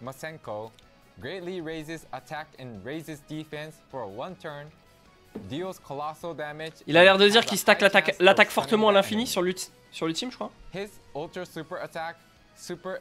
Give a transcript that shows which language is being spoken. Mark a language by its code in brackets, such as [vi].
[en] Masenko, greatly raises attack and raises defense for one turn, deals colossal damage. [fr] Il a l'air de dire qu'il stack l'attaque fortement à l'infini sur l'ultime, je crois. [en] His ultra super attack, super.